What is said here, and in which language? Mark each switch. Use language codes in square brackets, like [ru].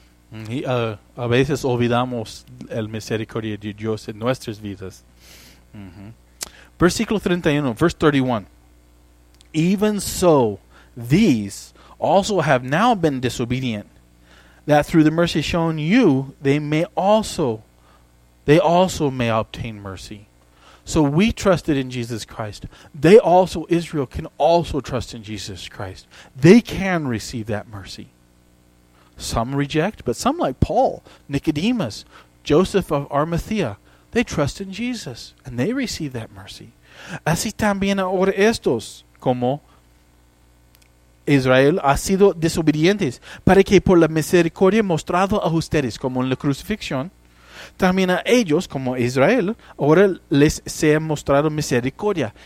[es] Y a veces olvidamos el misericordia de Dios en nuestras vidas. Mm-hmm. Versículo 31, [en] verse 31. Even so, these also have now been disobedient, that through the mercy shown you, they also may obtain mercy. So we trusted in Jesus Christ. They also, Israel, can also trust in Jesus Christ. They can receive that mercy. Some reject, but some, like Paul, Nicodemus, Joseph of Arimathea, they trust in Jesus, and they receive that mercy. [es] Así también ahora estos, como Israel ha sido desobedientes, para que por la misericordia mostrada a ustedes, como en la crucifixión, también a ellos, como Israel, ahora les sea mostrado misericordia.